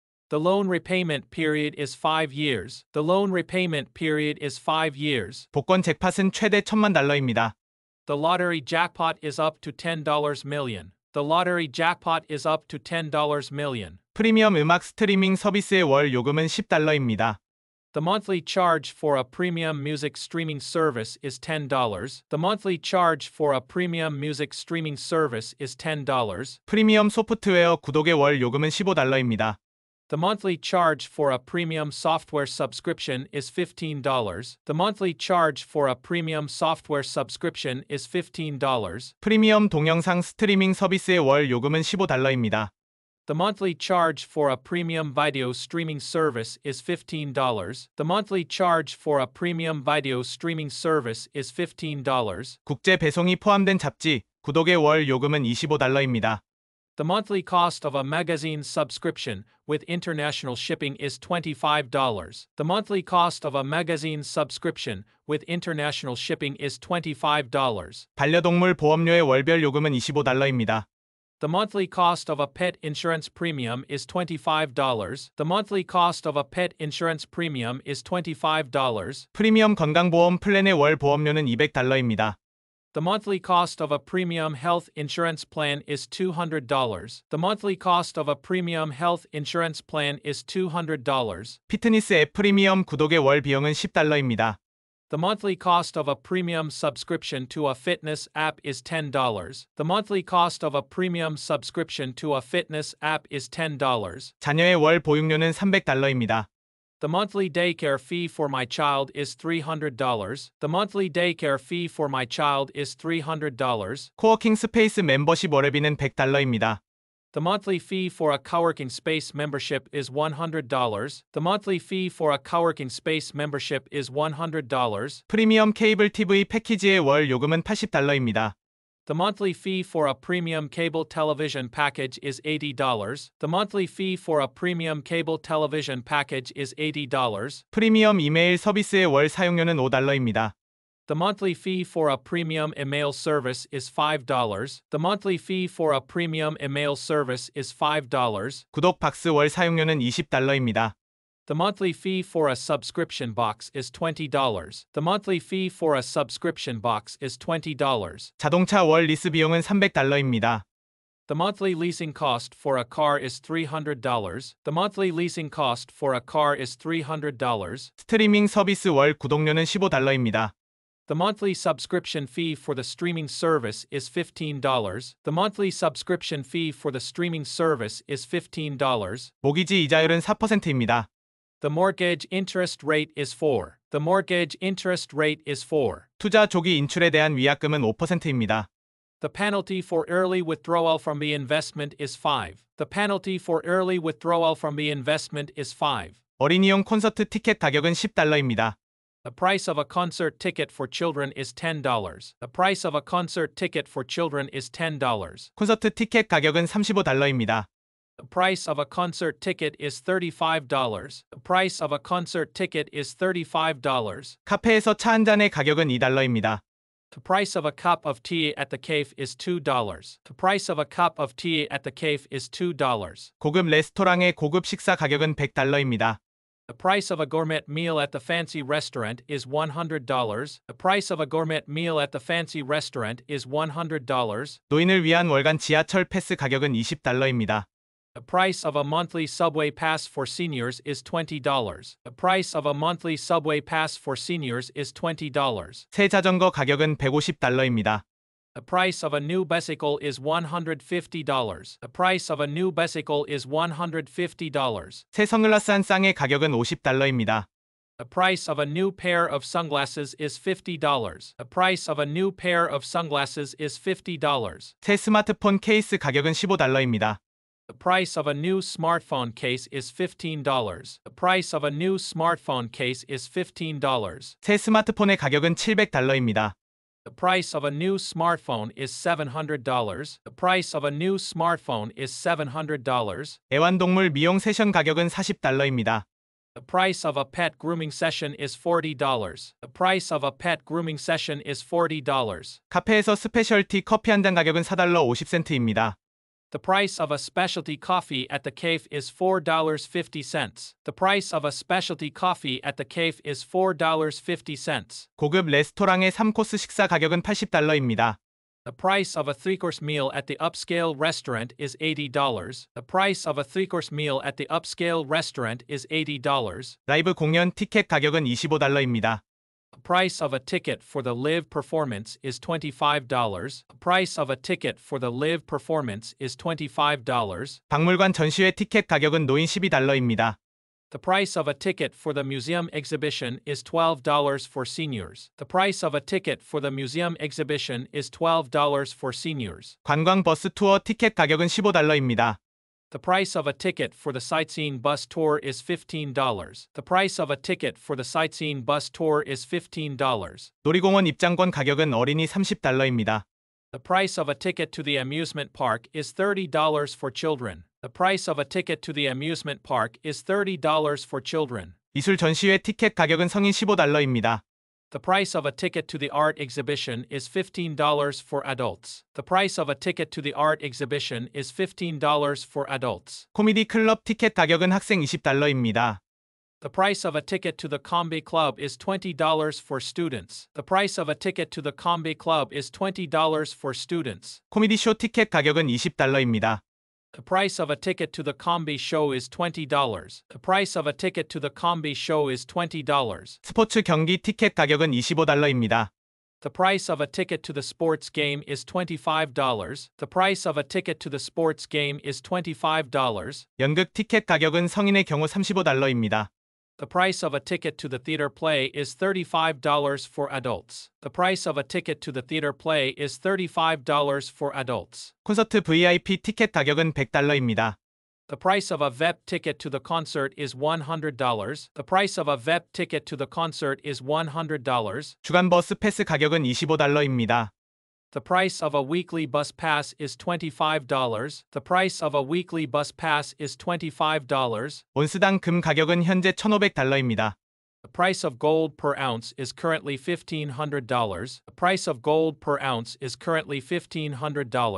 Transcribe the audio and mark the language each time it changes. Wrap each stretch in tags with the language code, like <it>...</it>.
<en>The loan repayment period is 5 years. The loan repayment period is 5 years.</en> <ko>복권 잭팟은 최대 1000만 달러입니다.</ko> <en>The lottery jackpot is up to $10 million. The lottery jackpot is up to $10 million.</en> <ko>프리미엄 음악 스트리밍 서비스의 월 요금은 $10입니다.</ko> <en>The monthly charge for a premium music streaming service is $10. The monthly charge for a premium music streaming service is $10.</en> <ko>프리미엄 소프트웨어 구독의 월 요금은 $15입니다.</ko> <en>The monthly charge for a premium software subscription is $15. The monthly charge for a premium software subscription is $15.</en> <ko>프리미엄 동영상 스트리밍 서비스의 월 요금은 $15입니다.</ko> <en>The monthly charge for a premium video streaming service is $15. The monthly charge for a premium video streaming service is $15.</en> <ko>국제 배송이 포함된 잡지 구독의 월 요금은 $25입니다.</ko> <en>The monthly cost of a magazine subscription with international shipping is $25. The monthly cost of a magazine subscription with international shipping is $25.</en> <ko>반려동물 보험료의 월별 요금은 $25입니다.</ko> <en>The monthly cost of a pet insurance premium is $25. The monthly cost of a pet insurance premium is $25.</en> <ko>프리미엄 건강보험 플랜의 월 보험료는 $200입니다.</ko> <en>The monthly cost of a premium health insurance plan is $200. The monthly cost of a premium health insurance plan is $200.</en> <ko>피트니스 앱 프리미엄 구독의 월 비용은 $10입니다.</ko> <en>The monthly cost of a premium subscription to a fitness app is $10. The monthly cost of a premium subscription to a fitness app is $10.</en> <ko>자녀의 월 보육료는 $300입니다.</ko> <en>The monthly daycare fee for my child is $300. The monthly daycare fee for my child is $300. Co-working space membership</en> <ko>월회비는 $100입니다.</ko> <en>The monthly fee for a co-working space membership is $100. The monthly fee for a co-working space membership is $100.</en> <ko>프리미엄 케이블 TV 패키지의 월 요금은 $80입니다.</ko> <en>The monthly fee for a premium cable television package is $80. The monthly fee for a premium cable television package is $80.</en> <ko>프리미엄 이메일 서비스의 월 사용료는 $5입니다.</ko> <en>The monthly fee for a premium email service is $5. The monthly fee for a premium email service is $5.</en> <ko>구독 박스 월 사용료는 $20입니다.</ko> <en>The monthly fee for a subscription box is $20. The monthly fee for a subscription box is $20.</en> <ko>자동차 월 리스 비용은 $300입니다.</ko> <en>The monthly leasing cost for a car is $300. The monthly leasing cost for a car is $300.</en> <ko>스트리밍 서비스 월 구독료는 $15입니다.</ko> <en>The monthly subscription fee for the streaming service is $15. The monthly subscription fee for the streaming service is $15.</en> <ko>모기지 이자율은 4%입니다.</ko> <en>The mortgage interest rate is 4. The mortgage interest rate is 4.</en> <ko>투자 조기 인출에 대한 위약금은 5%입니다.</ko> <en>The penalty for early withdrawal from the investment is 5. The penalty for early withdrawal from the investment is 5.</en> <ko>어린이용 콘서트 티켓 가격은 $10입니다.</ko> <en>The price of a concert ticket for children is $10. The price of a concert ticket for children is $10.</en> <ko>콘서트 티켓 가격은 $35입니다.</ko> <en>The price of a concert ticket is $35. The price of a concert ticket is $35.</en> <ko>카페에서 차 한 잔의 가격은 $2입니다.</ko> <en>The price of a cup of tea at the cafe is $2. The price of a cup of tea at the cafe is $2.</en> <ko>고급 레스토랑의 고급 식사 가격은 $100입니다.</ko> <en>The price of a gourmet meal at the fancy restaurant is $100. The price of a gourmet meal at the fancy restaurant is $100.</en> <ko>노인을 위한 월간 지하철 패스 가격은 $20입니다.</ko> <en>The price of a monthly subway pass for seniors is $20. The price of a monthly subway pass for seniors is $20.</en> <ko>새 자전거 가격은 $150입니다.</ko> <en>The price of a new bicycle is $150. The price of a new bicycle is $150.</en> <ko>새 선글라스 한 쌍의 가격은 $50입니다.</ko> <en>The price of a new pair of sunglasses is $50. The price of a new pair of sunglasses is $50.</en> <ko>새 스마트폰 케이스 가격은 $15입니다.</ko> <en>The price of a new smartphone case is $15. The price of a new smartphone case is $15.</en> <ko>새 스마트폰의 가격은 $700입니다.</ko> <en>The price of a new smartphone is $700. The price of a new smartphone is $700.</en> <ko>애완동물 미용 세션 가격은 $40입니다.</ko> <en>The price of a pet grooming session is $40. The price of a pet grooming session is $40.</en> <ko>카페에서 스페셜티 커피 한 잔 가격은 $4.50입니다.</ko> <en>The price of a specialty coffee at the cafe is $4.50. The price of a specialty coffee at the cafe is $4.50.</en> <ko>고급 레스토랑의 3코스 식사 가격은 $80입니다.</ko> <en>The price of a three-course meal at the upscale restaurant is $80. The price of a three-course meal at the upscale restaurant is $80.</en> <ko>라이브 공연 티켓 가격은 $25입니다.</ko> <en>The price of a ticket for the live performance is $25. The price of a ticket for the live performance is $25.</en> <ko>박물관 전시회 티켓 가격은 노인 $12입니다.</ko> <en>The price of a ticket for the museum exhibition is $12 for seniors. The price of a ticket for the museum exhibition is $12 for seniors.</en> <ko>관광 버스 투어 티켓 가격은 $15입니다.</ko> <en>The price of a ticket for the sightseeing bus tour is $15. The price of a ticket for the sightseeing bus tour is $15.</en> <ko>놀이공원 입장권 가격은 어린이 $30입니다.</ko> <en>The price of a ticket to the amusement park is $30 for children. The price of a ticket to the amusement park is $30 for children.</en> <ko>미술 전시회 티켓 가격은 성인 $15입니다.</ko> <en>The price of a ticket to the art exhibition is $15 for adults. The price of a ticket to the art exhibition is $15 for adults.</en> <ko>코미디 클럽 티켓 가격은 학생 $20입니다.</ko> <en>The price of a ticket to the comedy club is $20 for students. The price of a ticket to the comedy club is $20 for students.</en> <ko>코미디 쇼 티켓 가격은 $20입니다.</ko> <en>The price of a ticket to the comedy show is $20. The price of a ticket to the comedy show is $20.</en> <ko>스포츠 경기 티켓 가격은 $25입니다.</ko> <en>The price of a ticket to the sports game is $25. The price of a ticket to the sports game is $25.</en> <ko>연극 티켓 가격은 성인의 경우 $35입니다.</ko> <en>The price of a ticket to the theater play is $35 for adults. The price of a ticket to the theater play is $35 for adults.</en> <ko>콘서트 VIP 티켓 가격은 $100입니다.</ko> <en>The price of a VIP ticket to the concert is $100. The price of a VIP ticket to the concert is $100.</en> <ko>주간 버스 패스 가격은 $25입니다.</ko> <en>The price of a weekly bus pass is $25. The price of a weekly bus pass is $25.</en> <ko>온스당 금 가격은 현재 $1,500입니다.</ko> <en>The price of gold per ounce is currently $1,500. The price of gold per ounce is currently $1,500.</en>